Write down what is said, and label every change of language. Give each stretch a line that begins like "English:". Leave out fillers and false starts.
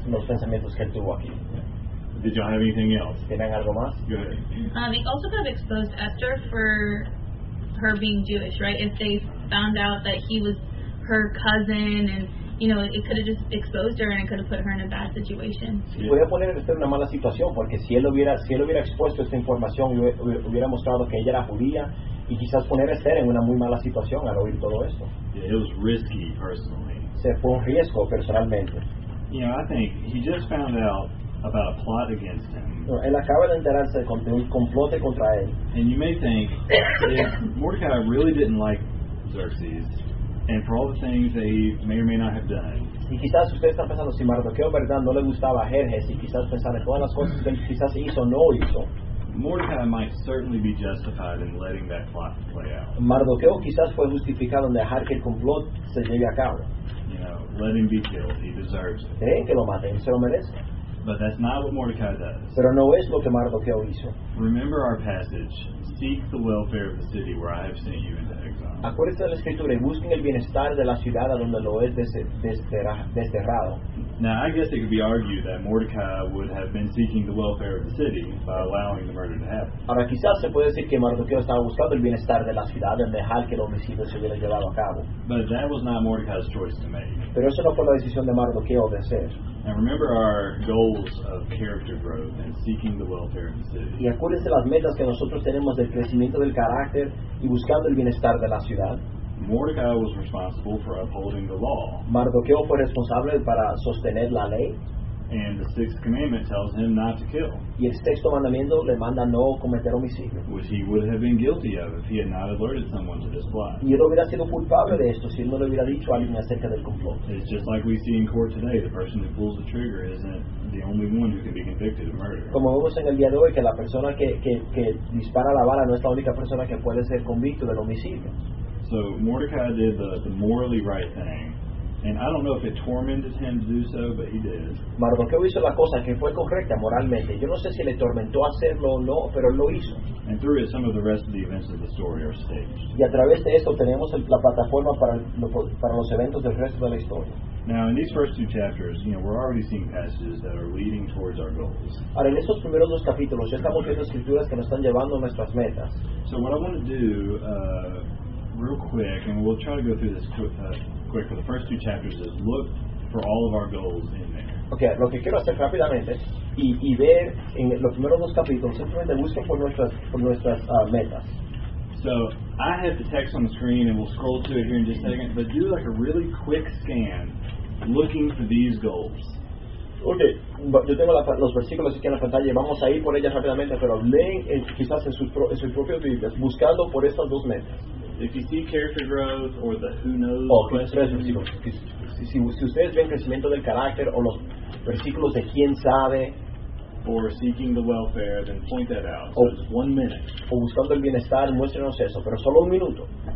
Spanish: Los pensamientos que tuvo aquí.
English: Did y'all have anything else?
Spanish: ¿Tienen algo más?
English: Go ahead. They also kind of exposed Esther for her being Jewish, right? If they found out that he was her cousin, and you know, it could have just exposed her and it could have put her in a bad situation.
Spanish: Sí, podía poner a Esther en una mala situación porque si él hubiera expuesto esta información, hubiera mostrado que ella era judía y quizás poner a Esther en una muy mala situación al oír todo esto.
English: Yeah, it was risky personally.
Spanish: Se fue un riesgo personalmente.
English: You know, I think he just found out about a plot against him.
Spanish: No, él acaba de enterarse de un complot contra él.
English: And you may think, if Mordecai really didn't like Xerxes, and for all the things that he may or may not have done,
Spanish: y quizás ustedes están pensando si Mardoqueo verdad no le gustaba a Jerjes y quizás pensar en todas las cosas que quizás hizo o no hizo.
English: Mordecai might certainly be justified in letting that plot play out.
Spanish: Mardoqueo quizás fue justificado en dejar que el complot se lleve a cabo.
English: You know, let him be killed. He deserves it.
Spanish: ¿Creen que lo maten? Se lo merece.
English: But that's not what Mordecai does.
Spanish: Pero no es lo que Mardoqueo hizo.
English: Remember our passage. Seek the welfare of the city where I have sent you into exile.
Spanish: Acuérdense de la escritura y busquen el bienestar de la ciudad a donde lo es desterrado.
English: Now, I guess it could be argued that Mordecai would have been seeking the welfare of the city by allowing the murder to happen.
Spanish: Ahora, quizás se puede decir que Mardoqueo estaba buscando el bienestar de la ciudad en dejar que el homicidio se hubiera llevado a cabo.
English: But that was not Mordecai's choice to make.
Spanish: Pero eso no fue la decisión de Mardoqueo de hacer.
English: And remember our goals of character growth and seeking the welfare of the city.
Spanish: Y acuérdense las metas que nosotros tenemos del crecimiento del carácter y buscando el bienestar de la ciudad.
English: Mordecai was responsible for upholding the law.
Spanish: Mardoqueo fue responsable para sostener la ley.
English: And the sixth commandment tells him not to kill.
Spanish: Y el sexto mandamiento le manda no cometer homicidio.
English: Which he would have been guilty of if he had not alerted someone to this plot.
Spanish: Y él hubiera sido culpable de esto si él no le hubiera dicho a alguien acerca del complot.
English: It's just like we see in court today, the person who pulls the trigger isn't the only one who can be convicted of murder.
Spanish: Como vemos en el día de hoy, que la persona que dispara la bala no es la única persona que puede ser convicto del homicidio.
English: So Mordecai did the morally right thing. And I don't know if it tormented him to do so, but he did.
Spanish: Mardoqueo hizo la cosa que fue correcta moralmente. Yo no sé si le tormentó hacerlo o no, pero lo hizo.
English: And through it, some of the rest of the events of the story are staged.
Spanish: Y a través de esto tenemos la plataforma para los eventos del resto de la historia.
English: Now, in these first two chapters, you know, we're already seeing passages that are leading towards our goals.
Spanish: Ahora, en estos primeros dos capítulos ya estamos viendo escrituras que nos están llevando a nuestras metas.
English: So what I want to do, real quick, and we'll try to go through this quick for the first two chapters is look for all of our goals in there.
Spanish: Okay, lo que quiero hacer rápidamente y ver en los primeros dos capítulos simplemente busco por nuestras metas.
English: So I have the text on the screen and we'll scroll to it here in just a second, but do like a really quick scan looking for these goals.
Spanish: Okay, yo tengo los versículos aquí en la pantalla, vamos a ir por ellas rápidamente, pero leen quizás en sus propias Biblias buscando por estas dos metas.
English: If you see character growth or the who knows question,
Spanish: si ustedes ven crecimiento del carácter o los versículos de quién sabe,
English: or seeking the welfare, then point that out. So just 1 minute.
Spanish: O buscando el bienestar, muéstrenos eso, pero solo un minuto.